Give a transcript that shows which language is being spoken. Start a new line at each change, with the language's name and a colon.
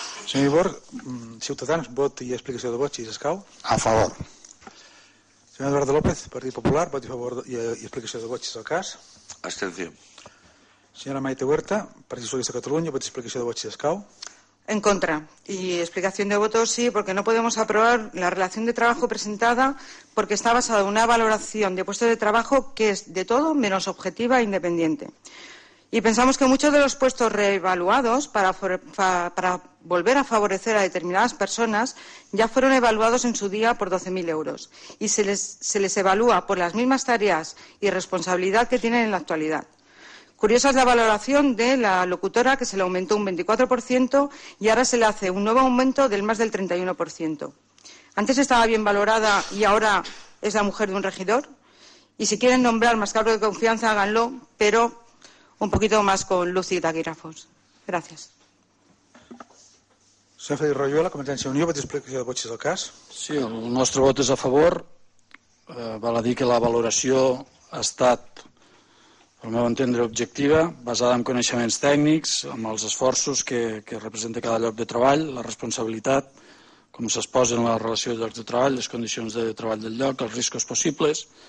Catalan: Senyor Iborg, Ciutadans, vot i explicació de vot, si escau. A favor. Senyor Eduardo López, Partit Popular, vot i favor i explicació de vot, si és el cas. Abstenció. Senyora Maite Huerta, Partit Socialista de Catalunya, vot i explicació de vot, si escau. En contra.
Spanish: Y explicación de voto, sí, porque no podemos aprobar la relación de trabajo presentada porque está basada en una valoración de puestos de trabajo que es de todo menos objetiva e independiente. Y pensamos que muchos de los puestos reevaluados para volver a favorecer a determinadas personas ya fueron evaluados en su día por 12.000 euros y se les evalúa por las mismas tareas y responsabilidad que tienen en la actualidad. Curiosa es la valoración de la locutora, que se le aumentó un 24% y ahora se le hace un nuevo aumento del más del 31%. Antes estaba bien valorada y ahora es la mujer de un regidor. Y si quieren nombrar más cargo de confianza, háganlo, pero un poquito más con luz y taquígrafos. Gracias.
Catalan: Senyor Feliu Rayuela, Convergència Unió, pot explicar el vot si és el cas? Sí, el nostre vot és a favor. Val a dir que la valoració ha estat, pel meu entendre, objectiva, basada en coneixements tècnics, amb els esforços que representa cada lloc de treball, la responsabilitat, com s'exposa en la relació de llocs de treball, les condicions de treball del lloc, els riscos possibles.